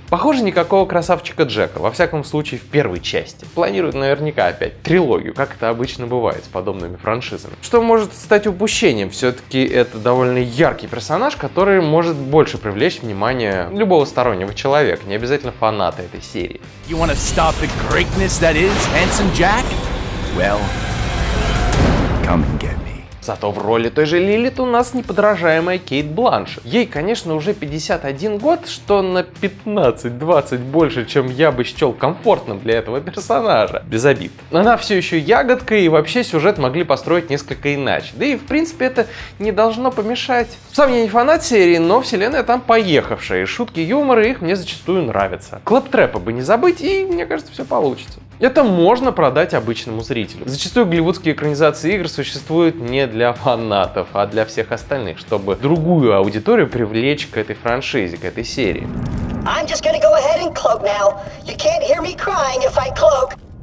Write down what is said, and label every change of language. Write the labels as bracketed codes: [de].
[ru] Похоже, никакого красавчика Джека, во всяком случае, в первой части. Планируют наверняка опять трилогию, как это обычно бывает с подобными франшизами. Что может стать упущением, все-таки это довольно яркий персонаж, который может больше привлечь внимание любого стороннего человека, не обязательно фаната этой серии. [en] You wanna stop the greatness that is handsome Jack? Well, come and get me. [ru] Зато в роли той же Лилит у нас неподражаемая Кейт Бланшетт. Ей, конечно, уже 51 год, что на 15-20 больше, чем я бы счел комфортным для этого персонажа. Без обид. Она все еще ягодка, и вообще сюжет могли построить несколько иначе. Да и, в принципе, это не должно помешать. Сам я не фанат серии, но вселенная там поехавшая, и шутки юмора их мне зачастую нравятся. Клэптрэпа бы не забыть, и, мне кажется, все получится. Это можно продать обычному зрителю. Зачастую голливудские экранизации игр существуют не для фанатов, а для всех остальных, чтобы другую аудиторию привлечь к этой франшизе, к этой серии. [en] I'm just gonna go ahead and cloak now. You can't hear me crying if I cloak.